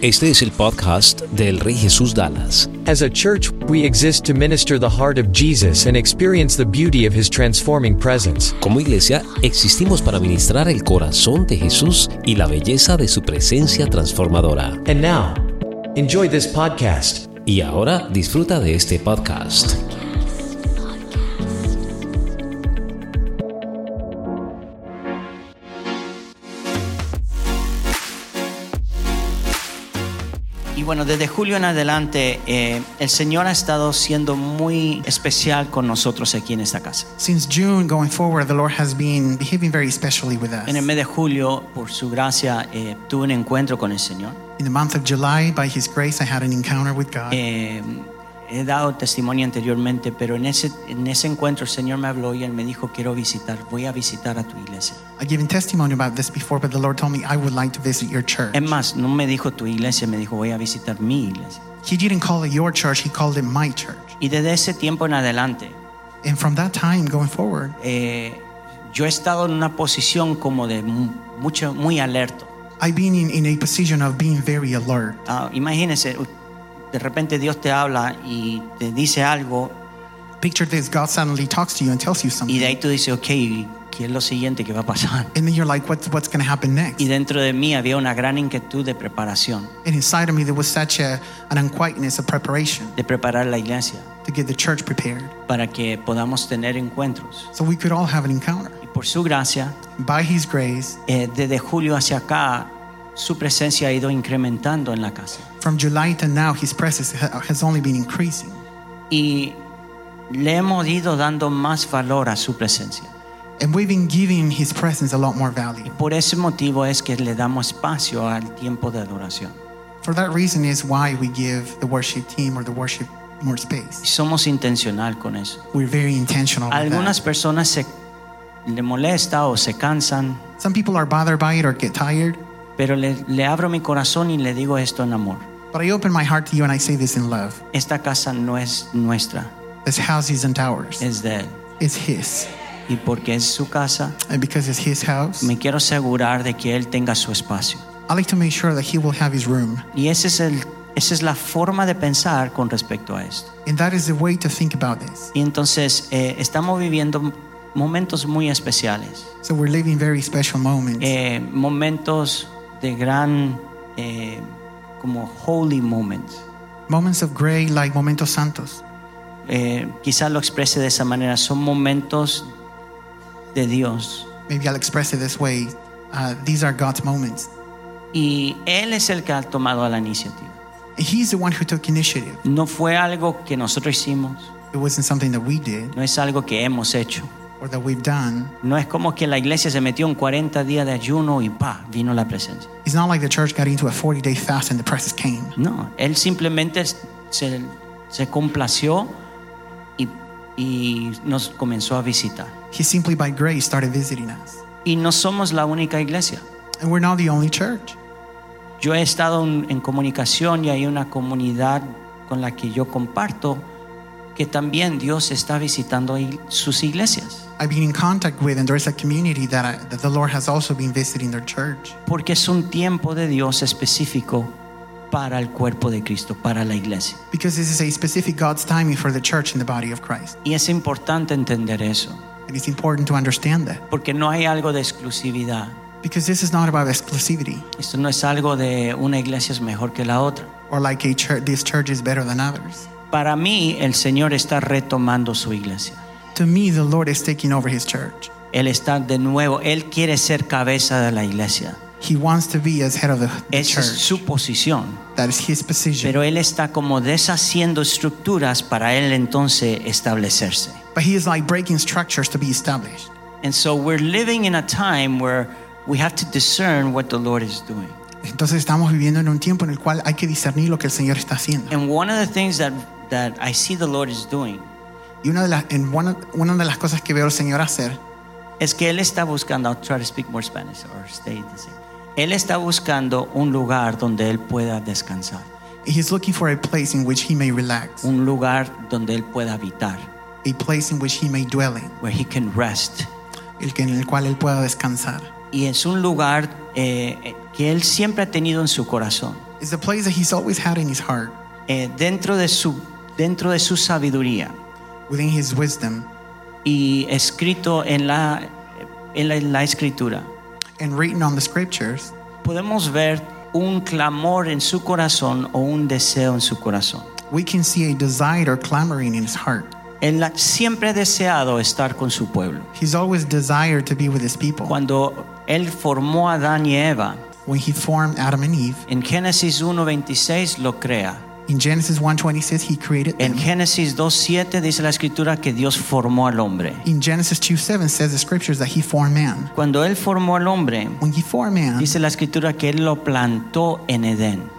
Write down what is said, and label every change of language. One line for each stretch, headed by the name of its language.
Spanish: Este es el podcast del Rey Jesús Dallas.
English: As a church, we exist to minister the heart of Jesus and experience the beauty of His transforming presence.
Spanish: Como iglesia, existimos para ministrar el corazón de Jesús y la belleza de su presencia transformadora.
English: And now, enjoy this podcast.
Spanish: Y ahora, disfruta de este podcast. Y bueno, desde julio en adelante, el Señor ha estado siendo muy especial con nosotros aquí en esta casa.
English: Since June going forward, the Lord has been behaving very specially with us.
Spanish: En el mes de julio, por su gracia, tuve un encuentro con el Señor.
English: In the month of July, by His grace, I had an encounter with God.
Spanish: He dado testimonio anteriormente, pero en ese encuentro el Señor me habló y él me dijo, quiero visitar, voy a visitar a tu iglesia.
English: I've given testimony about this before, but the Lord told me I would like to visit your church.
Spanish: Es más, no me dijo tu iglesia, me dijo, voy a visitar mi iglesia.
English: He didn't call it your church, he called it my church.
Spanish: Y desde ese tiempo en adelante,
English: and from that time going forward,
Spanish: yo he estado en una posición como de mucho, muy alerto.
English: I've been in a position of being very alert.
Spanish: Imagínese, de repente Dios te habla y te dice algo.
English: Picture this, God suddenly talks to you and tells you something.
Spanish: Y de ahí tú dices, okay, ¿qué es lo siguiente que va a pasar?
English: And then you're like, what's going to happen next?
Spanish: Y dentro de mí había una gran inquietud de preparación.
English: And inside of me there was such an unquietness of preparation.
Spanish: De preparar la iglesia.
English: To get the church prepared.
Spanish: Para que podamos tener encuentros.
English: So we could all have an encounter.
Spanish: Y por su gracia.
English: By His grace.
Spanish: Desde julio hacia acá, su presencia ha ido incrementando en la casa.
English: From July to now, His presence has only been increasing.
Spanish: Y le hemos ido dando más valor a su presencia.
English: And we've been giving His presence a lot more value.
Spanish: Y por ese motivo es que le damos espacio al tiempo de adoración.
English: For that reason is why we give the worship team or the worship more space.
Spanish: Y somos intencional con eso.
English: We're very intentional with that.
Spanish: Algunas personas se le molesta o se cansan.
English: Some people are bothered by it or get tired.
Spanish: Pero le abro mi corazón y le digo esto en amor.
English: But I open my heart to you and I say this in love.
Spanish: Esta casa no es nuestra.
English: This house isn't ours.
Spanish: Es de él.
English: It's His.
Spanish: Y porque es su casa.
English: And because it's His house.
Spanish: Me quiero asegurar de que él tenga su espacio.
English: I like to make sure that He will have His room.
Spanish: Y esa es la forma de pensar con respecto a esto.
English: And that is the way to think about this.
Spanish: Y entonces estamos viviendo momentos muy especiales.
English: So we're living very special moments.
Spanish: Momentos de gran como
English: holy moments. Moments of great, like
Spanish: momentos santos. Quizá lo exprese de esa manera. Son momentos de Dios.
English: Maybe I'll express it this way. These are God's moments.
Spanish: Y Él es el que ha tomado la iniciativa.
English: And He's the one who took initiative.
Spanish: No fue algo que nosotros hicimos.
English: It wasn't something that we did.
Spanish: No es algo que hemos hecho.
English: Or that we've done.
Spanish: No es como que la iglesia se metió en 40 días de ayuno y pa, vino la presencia.
English: It's not like the church got into a 40-day fast and the presence came.
Spanish: No, él simplemente se complació y nos comenzó a visitar.
English: He simply by grace started visiting us.
Spanish: Y no somos la única iglesia.
English: And we're not the only church.
Spanish: Yo he estado en comunicación y hay una comunidad con la que yo comparto que también Dios está visitando sus iglesias.
English: I've been in contact with, and there is a community that the Lord has also been visiting their church.
Spanish: Porque es un tiempo de Dios específico para el cuerpo de Cristo, para la iglesia.
English: Because this is a specific God's timing for the church and the body of Christ.
Spanish: Y es importante entender eso.
English: And it's important to understand that.
Spanish: Porque no hay algo de exclusividad.
English: Because this is not about exclusivity.
Spanish: Esto no es algo de una iglesia es mejor que la otra.
English: Or like a church, this church is better than others.
Spanish: Para mí, el Señor está retomando su iglesia.
English: To me, the Lord is taking over His church.
Spanish: Él está de nuevo. Él quiere ser cabeza de la iglesia.
English: He wants to be as head of the
Spanish: Esa
English: church.
Spanish: Es su posición.
English: That is His position.
Spanish: Pero Él está como deshaciendo estructuras para Él entonces establecerse.
English: But He is like breaking structures to be established. And so we're living in a time where we have to discern what the Lord is doing.
Spanish: Entonces estamos viviendo en un tiempo en el cual hay que discernir lo que el Señor está haciendo.
English: And one of the things that I see the Lord is doing.
Spanish: Y una de las cosas que veo el Señor hacer es que Él está buscando,
English: I'll try to speak more Spanish or stay the same.
Spanish: Él está buscando un lugar donde Él pueda descansar.
English: He's looking for a place in which He may relax.
Spanish: Un lugar donde Él pueda habitar.
English: A place in which He may dwell in. Where He can rest.
Spanish: En el cual Él pueda descansar. y es un lugar que él siempre ha tenido en su corazón.
English: It's a place that he's always had in his heart.
Spanish: Dentro de su sabiduría.
English: Within his wisdom.
Spanish: Y escrito en la escritura.
English: And written on the scriptures.
Spanish: Podemos ver un clamor en su corazón o un deseo en su corazón.
English: We can see a desire or clamoring in his heart.
Spanish: Siempre ha deseado estar con su pueblo.
English: He's always desired to be with his people.
Spanish: Cuando él formó a Adán y Eva,
English: when he formed Adam and Eve,
Spanish: en Génesis 1:26 lo crea.
English: In Genesis 1:26 he created them.
Spanish: En Génesis 2:7 dice la escritura que Dios formó al hombre.
English: In Genesis 2:7 says the scriptures that he formed man.
Spanish: Cuando él formó al hombre,
English: when he formed man,
Spanish: dice la escritura que él lo plantó en Edén.